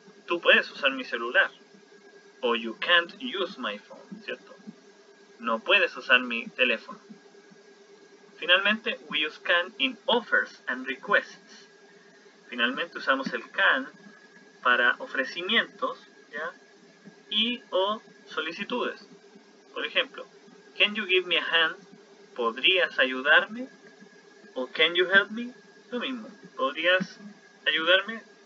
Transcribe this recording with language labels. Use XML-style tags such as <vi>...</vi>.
<es>Tú puedes usar mi celular. O</es> <en>you can't use my phone,</en> <es>¿cierto? No puedes usar mi teléfono.</es> <en>Finalmente, we use can in offers and requests.</en> <es>Finalmente, usamos el can para ofrecimientos, ¿ya? Y o solicitudes. Por ejemplo,</es> <en>can you give me a hand?</en> <es>¿Podrías ayudarme? O</es> <en>can you help me?</en> <es>Lo mismo. ¿Podrías ayudarme?</es>